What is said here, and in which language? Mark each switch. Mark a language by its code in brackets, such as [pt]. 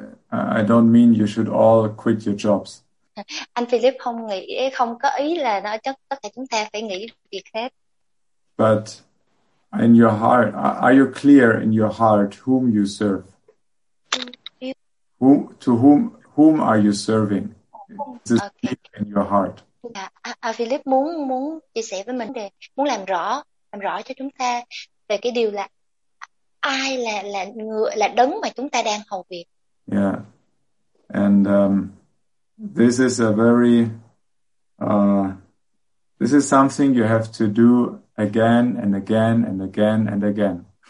[en] I don't mean you should all quit your jobs. [vi] Anh Philip không có ý là nói chắc tất cả chúng ta phải nghỉ việc hết. [en] But in your heart, are you clear in your heart whom you serve? To whom are you serving? In your heart. [vi] Philip muốn chia sẻ với mình đề, muốn làm rõ cho chúng ta về cái điều là ai là đấng mà chúng ta đang hầu việc. [en] Yeah. And this is a very this is something you have to do again and again and again and again.